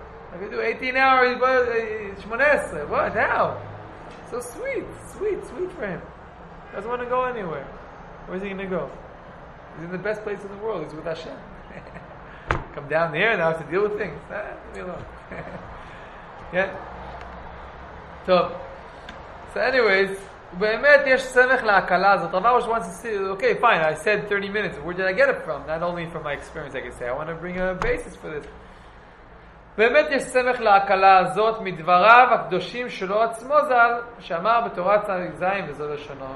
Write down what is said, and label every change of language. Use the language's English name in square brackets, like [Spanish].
[English] How could he do 18 hours Shmoneh? What? How? So sweet for him. Doesn't want to go anywhere. Where's he going to go? He's in the best place in the world. He's with Hashem. Come down here and I have to deal with things. Leave me alone. Yeah? [Hebrew] So anyways, באמת יש סמך להקלה הזאת. [English] Rav Arush wants to see, okay, fine, I said 30 minutes. Where did I get it from? Not only from my experience, I can say. I want to bring a basis for this. [Hebrew] באמת יש סמך להקלה הזאת מדבריו הקדושים שלו עצמו זל, שאמר בתורת צדיק זין וזאת השונו.